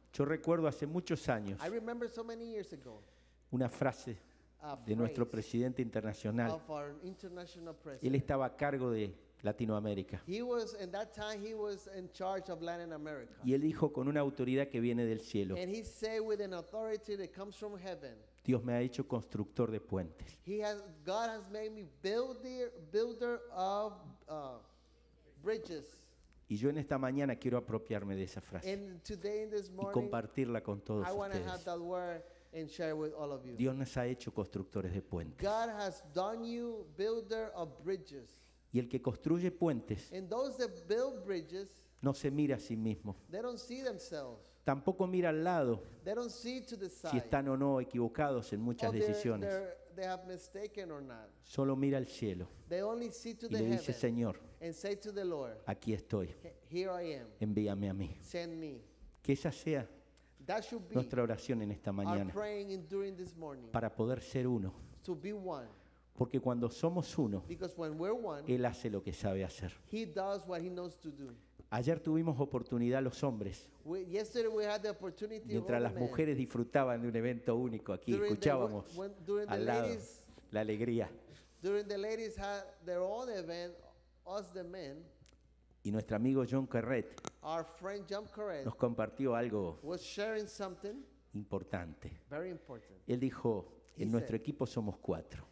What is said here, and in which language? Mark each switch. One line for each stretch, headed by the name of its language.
Spanish: Yo recuerdo hace muchos años.
English: I remember so many years ago,
Spanish: una frase de nuestro presidente internacional.
English: Of our international president.
Spanish: Él estaba a cargo de Latinoamérica.
English: He was, in that time, he was in charge of Latin America.
Spanish: Y él dijo con una autoridad que viene del cielo.
English: And he said with an authority that comes from heaven.
Spanish: Dios me ha hecho constructor de puentes.
English: God has made me builder of bridges.
Spanish: Y yo en esta mañana quiero apropiarme de esa frase.
English: And today in this morning,
Spanish: y compartirla con todos
English: I
Spanish: ustedes.
English: I want to have that word and share with all of you.
Spanish: Dios nos ha hecho constructores de puentes.
English: God has done you builder of bridges.
Spanish: Y el que construye puentes.
English: And those that build bridges,
Spanish: no se mira a sí mismo.
English: They don't see themselves.
Spanish: Tampoco mira al lado
English: they don't see to the side,
Spanish: si están o no equivocados en muchas decisiones.
English: They have mistaken or not.
Spanish: Solo mira al cielo
English: they only see to
Spanish: y
English: the
Spanish: le dice, Señor,
English: and say to the Lord,
Spanish: aquí estoy,
English: here I am.
Spanish: Envíame a mí.
English: Send me.
Spanish: Que esa sea
English: that should be
Spanish: nuestra oración en esta mañana
English: our praying in, during this morning,
Spanish: para poder ser uno.
English: To be one.
Spanish: Porque cuando somos uno,
English: because when we're one,
Spanish: Él hace lo que sabe hacer.
English: He does what he knows to do.
Spanish: Ayer tuvimos oportunidad los hombres.
English: Yesterday we had the opportunity
Spanish: mientras las mujeres disfrutaban de un evento único aquí,
English: during
Spanish: escuchábamos
English: the, when, during
Spanish: al
English: the
Spanish: lado
English: ladies,
Spanish: la alegría.
English: During the ladies had their own event, us the men,
Spanish: y nuestro amigo John Carrett,
English: our friend John Carrett
Spanish: nos compartió algo
English: was sharing something
Spanish: importante.
English: Very important.
Spanish: Él dijo, en nuestro equipo somos cuatro.